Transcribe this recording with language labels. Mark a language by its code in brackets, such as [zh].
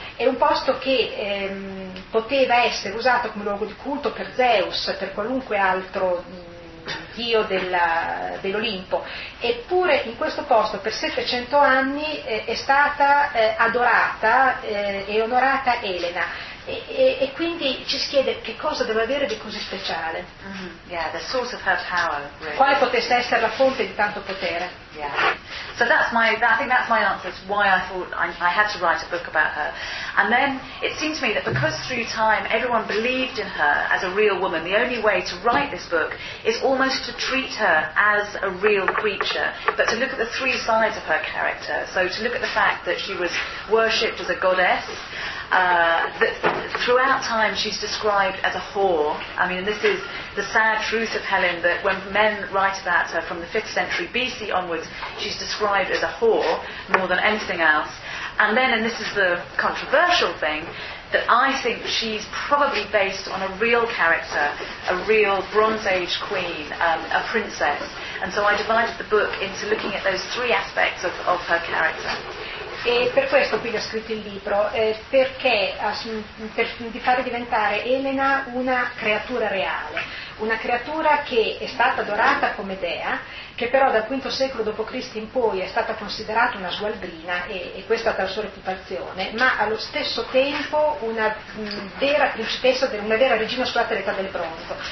[it] È un posto che poteva essere usato come luogo di culto per Zeus, per qualunque altro dio dell'Olimpo, eppure in questo posto per 700 anni è stata adorata e onorata Elena, e quindi ci si chiede che cosa deve avere di così speciale. [en] Yeah, the source of her power, really. [it] Quale potesse essere la fonte di tanto potere. [en] Yeah. So I think that's my answer to why I thought I had to write a book about her. And then it seemed to me that because through time everyone believed in her as a real woman, the only way to write this book is almost to treat her as a real creature, but to look at the three sides of her character. So to look at the fact that she was worshipped as a goddess, that throughout time she's described as a whore. I mean, this is the sad truth of Helen, that when men write about her from the 5th century BC onwards, because she's described as a whore more than anything else. And then, and this is the controversial thing, that I think she's probably based on a real character, a real Bronze Age queen, a princess. And so I divided the book into looking at those three aspects of her character. [it] E per questo qui ho scritto il libro, perché per di fare diventare Elena una creatura reale, una creatura che è stata adorata come dea, che però dal V secolo d.C. in poi è stata considerata una sualbrina, e questa è la sua reputazione, ma allo stesso tempo una vera principessa, una vera regina scolata dell'età del bronzo.